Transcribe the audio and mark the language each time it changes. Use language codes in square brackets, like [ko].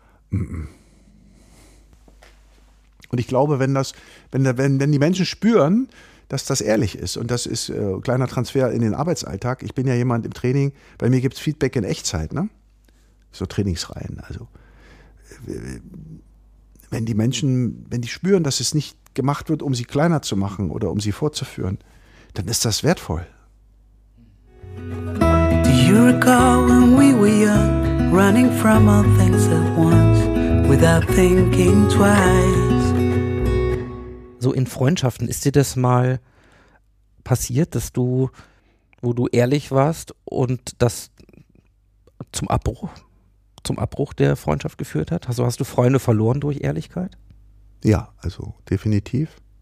[de] Und ich glaube, wenn die Menschen spüren, dass das ehrlich ist, und das ist ein kleiner Transfer in den Arbeitsalltag, ich bin ja jemand im Training, bei mir gibt es Feedback in Echtzeit, ne? So Trainingsreihen. Also wenn die spüren, dass es nicht gemacht wird, um sie kleiner zu machen oder um sie vorzuführen, dann ist das wertvoll. [en] Do you recall when we were young, running from all things at once, without thinking twice? [de] So in Freundschaften, ist dir das mal passiert, dass du, wo du ehrlich warst und das zum Abbruch der Freundschaft geführt hat? Also hast du Freunde verloren durch Ehrlichkeit? Ja, also definitiv.